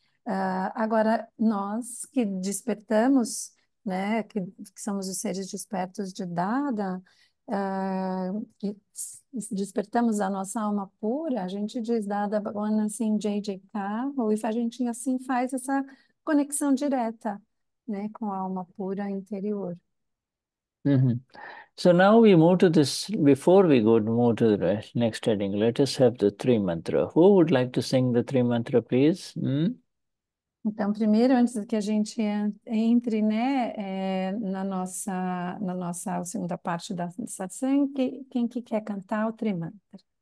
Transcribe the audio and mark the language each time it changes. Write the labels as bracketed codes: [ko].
[pt] Agora, nós que despertamos, né, que somos os seres despertos de Dada, que despertamos a nossa alma pura, a gente diz Dada Bhagwan assim, JJK, ou if a gente assim faz essa conexão direta, né, com a alma pura interior. [en] So now we move to this. Before we go move to the next heading, let us have the three mantra. Who would like to sing the three mantra, please? [pt] Então, primeiro, antes que a gente entre, né, na nossa segunda parte da satsang, quem que quer cantar o trimantra?